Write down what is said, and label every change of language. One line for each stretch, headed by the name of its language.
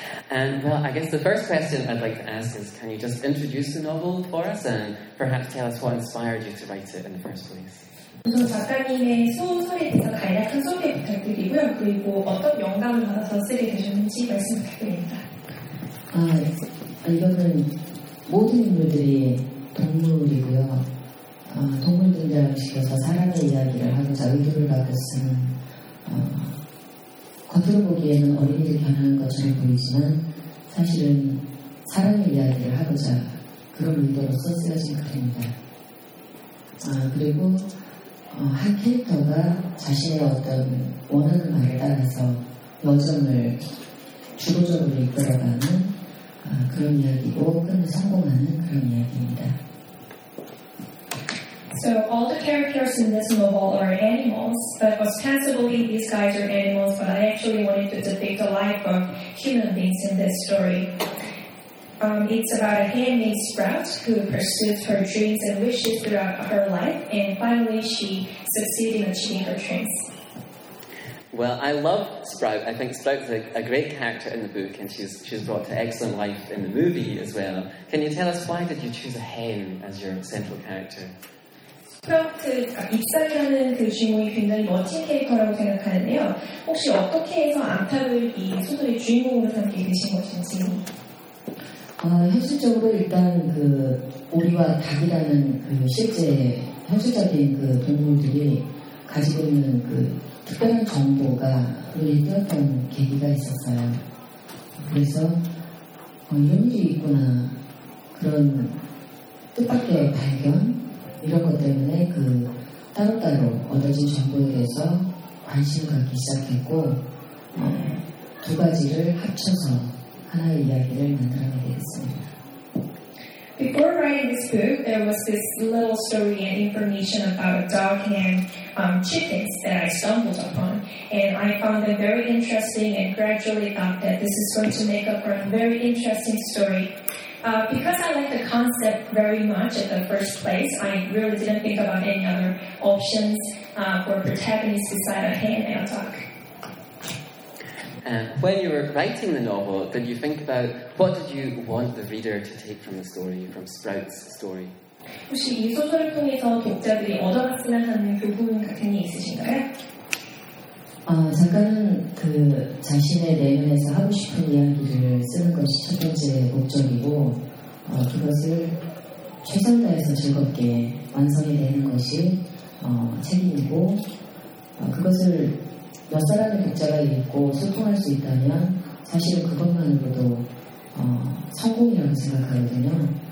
English: And well, I guess the first question I'd like to ask is, can you just introduce the novel for us, and perhaps tell us what inspired you to write it in the first place?
Korean: 우선 작가님의 소설에 대해서 간략 한 소개 부탁드리고요. 그리고 어떤 영감을 받아서 쓰게 되셨는지 말씀 부탁드립니다. 아, 이거는 모든 인물들이 동물이고요. 아, 동물 등장시켜서 사람의 이야기를 하고자 의도를 갖고 쓰는 겉으로 보기에는 어린이를 겨냥한 것처럼 보이지만 사실은 사람의 이야기를 하고자 그런 의도로서 쓰여진 글입니다. 아, 그리고 한 캐릭터가 자신의 어떤 원하는 말에 따라서 여정을 주도적으로 이끌어가는 그런 이야기고 끝내 성공하는 그런 이야기입니다.
English: So all the characters in this novel are animals, but ostensibly these guys are animals, but I actually wanted to depict the life of human beings in this story. It's about a handmaid sprout who pursues her dreams and wishes throughout her life, and finally she succeeds in achieving her dreams. Well, I love Sprout. I think Sprout's a great character in the book, and she's brought to excellent life in the movie as well. Can you tell us why did you choose a hen as your central character?
Korean: 입사라는 그 주인공이 굉장히 멋진 캐릭터라고 생각하는데요. 혹시 어떻게 해서 암탉을 이 소설의 주인공으로 삼게 되신 것인지? 현실적으로 일단 그 오리와 닭이라는 그 실제 현실적인 그 동물들이 가지고 있는 그 특별한 정보가 눈에 띄었던 계기가 있었어요. 그래서 이런 일이 있구나 그런 뜻밖의 발견 이런 것 때문에 그 따로따로 얻어진 정보에 대해서 관심을 갖기 시작했고 두 가지를 합쳐서 하나의 이야기를 만들어내게 됐습니다.
English: Before writing this book, there was this little story and information about a dog and chickens that I stumbled upon. And I found them very interesting and gradually thought that this is going to make up for a very interesting story. Because I liked the concept very much at the first place, I really didn't think about any other options for protagonists besides a hen and a dog. When you were writing the novel, did you think about what did you want the reader to take from the story, from Sprout's story?
Korean: 혹시 이 소설을 통해서 독자들이 얻어갔으면 하는 교훈 같은 게 있으신가요? 작가는 그 자신의 내면에서 하고 싶은 이야기를 쓰는 것이 첫 번째 목적이고 그것을 최선 다해서 즐겁게 완성이 되는 것이 책임이고 그것을 몇 사람의 독자가 읽고 소통할 수 있다면 사실은 그것만으로도 성공이라고 생각하거든요.